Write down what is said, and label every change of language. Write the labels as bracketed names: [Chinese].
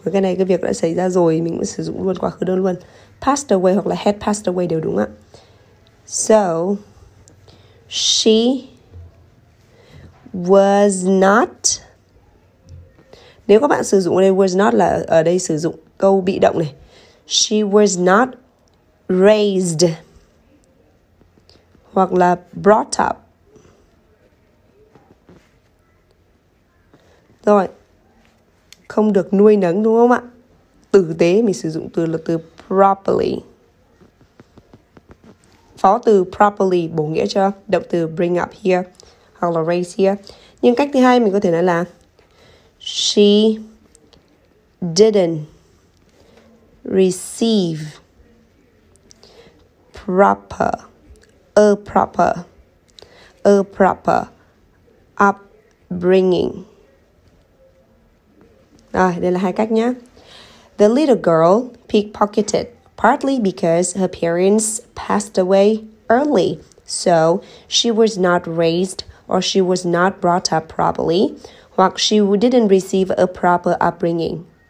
[Vietnamese] Với cái này cái việc đã xảy ra rồi mình cũng sử dụng luôn quá khứ đơn luôn. [English] Passed away [Vietnamese] hoặc là [English] had passed away [Vietnamese] đều đúng ạ. [English] So she was not. [Vietnamese] Nếu các bạn sử dụng ở đây [English] was not [Vietnamese] là ở đây sử dụng câu bị động này. [English] She was not raised [Vietnamese] hoặc là [English] brought up. [Vietnamese] Rồi không được nuôi nấng đúng không ạ? Tử tế mình sử dụng từ là từ properly. Phó từ properly bổ nghĩa cho động từ bring up here hoặc là raise here. Nhưng cách thứ hai mình có thể nói là [English] she didn't receive proper, a proper upbringing. [Vietnamese] Rồi, đây là hai cách nhé. [English] The little girl pickpocketed partly because her parents passed away early, so she was not raised or she was not brought up properly, [Vietnamese] hoặc [English] she didn't receive a proper upbringing.